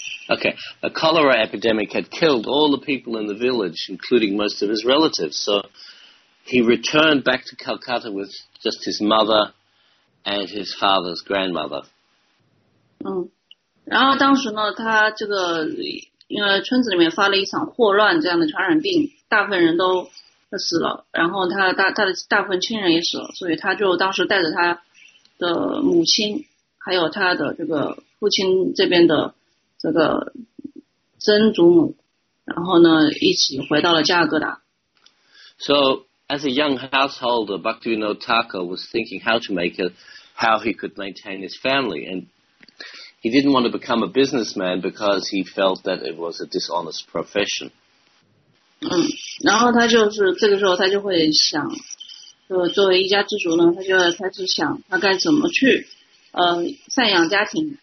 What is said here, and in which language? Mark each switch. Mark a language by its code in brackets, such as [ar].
[en] Okay. A cholera epidemic had killed all the people in the village, including most of his relatives. So he returned back to Calcutta with just his mother and his father's grandmother. [zh] 然后当时呢，他这个因为村子里面发了一场霍乱这样的传染病，大部分人都死了，然后他的大部分亲人也死了，所以他就当时带着他的母亲，还有他的这个父亲这边的这个曾祖母，然后呢一起回到了加尔各答。 [en] So as a young householder, Bhaktivinoda Thakur was thinking how he could maintain his family, and he didn't want to become a businessman because he felt that it was a dishonest profession. [zh] 然后他就是这个时候他就会想，就作为一家之主呢，他就开始想他该怎么去赡养家庭。